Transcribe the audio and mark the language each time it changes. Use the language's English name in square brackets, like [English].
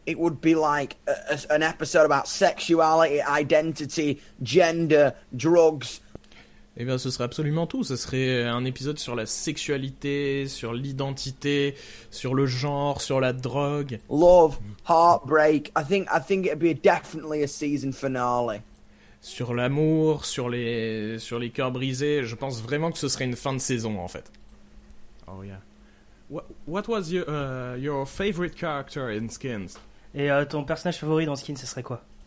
[English] It would be like an episode about sexuality, identity, gender, drugs. [French] Eh bien, ce serait absolument tout. Ce serait un épisode sur la sexualité, sur l'identité, sur le genre, sur la drogue. [English] Love, heartbreak. I think it'd be definitely a season finale. [French] Sur l'amour, sur les cœurs brisés. Je pense vraiment que ce serait une fin de saison, en fait. [English] Oh yeah. What was your favorite character in Skins? [French] Et ton personnage favori dans Skins, ce serait quoi?